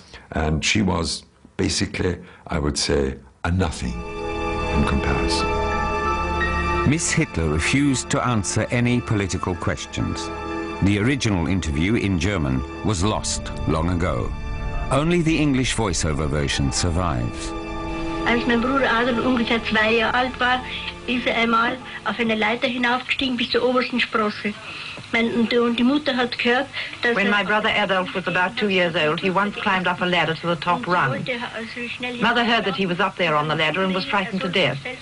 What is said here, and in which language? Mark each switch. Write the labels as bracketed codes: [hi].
[en] And she was basically, I would say, a nothing in comparison. Miss Hitler refused to answer any political questions. The original interview in German was lost long ago. Only the English voiceover version survives. [de] Als mein Bruder Adolf ungefähr 2 Jahre alt war, ist er einmal auf eine Leiter hinaufgestiegen bis zur obersten Sprosse. Und die Mutter hat gehört, dass [en] When my brother Adolf was about 2 years old, he once climbed up a ladder to the top rung. Mother heard that he was up there on the ladder and was frightened to death.